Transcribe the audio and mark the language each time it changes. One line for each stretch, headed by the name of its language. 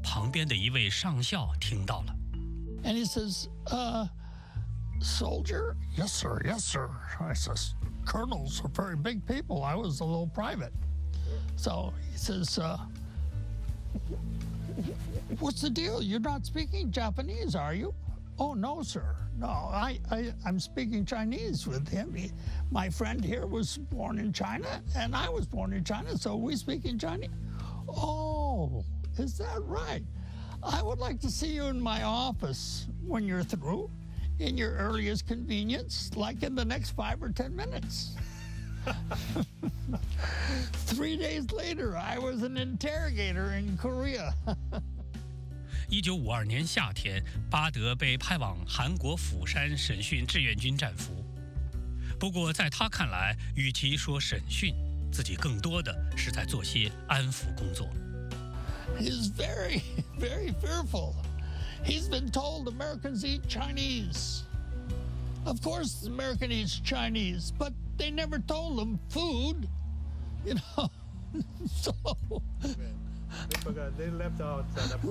Chinese: 我是中国人，不是吗？你看不见吗？巴德在中国长到14岁，随父母回到美国。大学一年级那年，杜鲁门总统的一纸征兵令把他招入军中，派到日本。一天在军中食堂，他正和一位同样在中国出生的日裔美军边吃边聊，碰巧被旁边的一位上校听到了。
English: And he says, Soldier? Yes, sir. Yes, sir. I says, colonels are very big people. I was a little private. So he says, what's the deal? You're not speaking Japanese, are you? Oh, no, sir. No, I'm speaking Chinese with him. He, my friend here was born in China, and I was born in China, so we speak in Chinese. Oh, is that right? I would like to see you in my office when you're through. In your earliest convenience, like in the next 5 or 10 minutes. 3 days later, I was an interrogator in Korea.
Chinese: 1952年夏天，巴德被派往韩国釜山审讯志愿军战俘。不过在他看来，与其说审讯，自己更多的是在做些安抚工作。
English: He's very, very fearful. He's been told Americans eat Chinese. Of course, Americans eat Chinese, but they never told them food. You know, so... They left out that part.